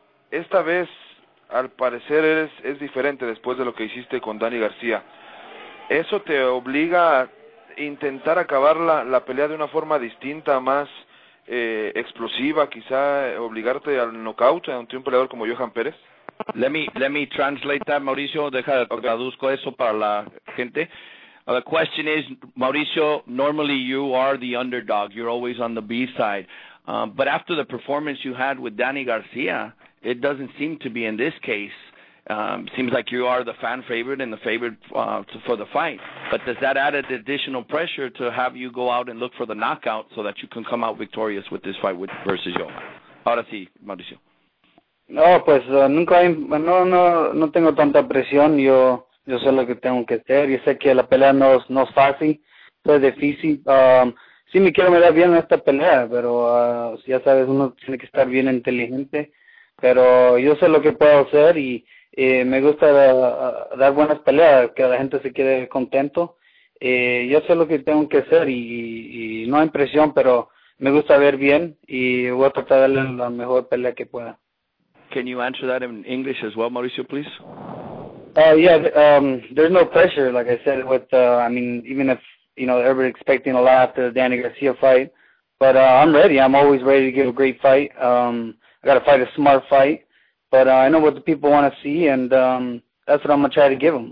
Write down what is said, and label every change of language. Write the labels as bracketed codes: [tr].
[es] Esta vez, al parecer, es diferente después de lo que hiciste con Dani García. ¿Eso te obliga a intentar acabar la pelea de una forma distinta, más explosiva, quizá obligarte al knockout ante un peleador como Johan Pérez? [en] Let me translate that, [es] Mauricio. Deja, traduzco eso para la gente. [en] The question is, Mauricio, normally you are the underdog. You're always on the B side. But after the performance you had with Danny Garcia, it doesn't seem to be in this case. Seems like you are the fan favorite and the favorite for the fight. But does that add an additional pressure to have you go out and look for the knockout so that you can come out victorious with this fight versus Johan? [es] Ahora sí, Mauricio. No, pues nunca hay, no tengo tanta presión. Yo sé lo que tengo que hacer. Yo sé que la pelea no es fácil, no es difícil. Sí me quiero mirar bien en esta pelea, pero ya sabes, uno tiene que estar bien inteligente. Pero yo sé lo que puedo hacer y me gusta dar buenas peleas, que la gente se quede contento. Yo sé lo que tengo que hacer y no hay presión, pero me gusta ver bien y voy a tratar de darle la mejor pelea que pueda. [en] Can you answer that in English as well, Mauricio, please? There's no pressure, like I said. With even if everybody's expecting a lot after the Danny Garcia fight, but I'm ready. I'm always ready to give a great fight. I got to fight a smart fight, but I know what the people want to see, and that's what I'm gonna try to give them.